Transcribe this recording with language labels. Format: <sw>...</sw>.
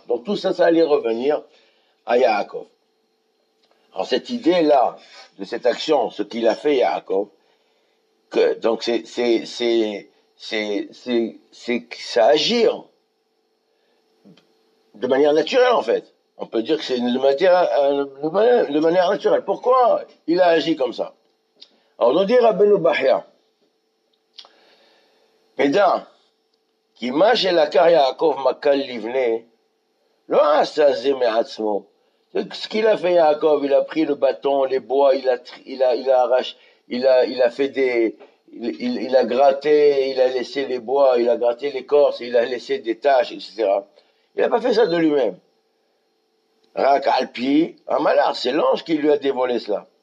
<fr>Donc tout ça, ça allait revenir à Yaakov. Alors cette idée-là, de cette action, ce qu'il a fait Yaakov, c'est ça agir de manière naturelle en fait. On peut dire que c'est de manière naturelle. Pourquoi il a agi comme ça? Alors nous dit Rabbeinu Bahia, Pédin,</fr> <he>כי מה שלקח יעקב מקל לבנה, לא עשה זה מעצמו.</he> <fr>Ce qu'il a fait Yaakov, il a pris le bâton, les bois, il a gratté, il a laissé les bois, il a gratté l'écorce, il a laissé des taches, etc. Il n'a pas fait ça de lui-même.</fr> <he>Rak alpi,</he> <fr>un malheur, c'est l'ange qui lui a dévoilé cela.</fr>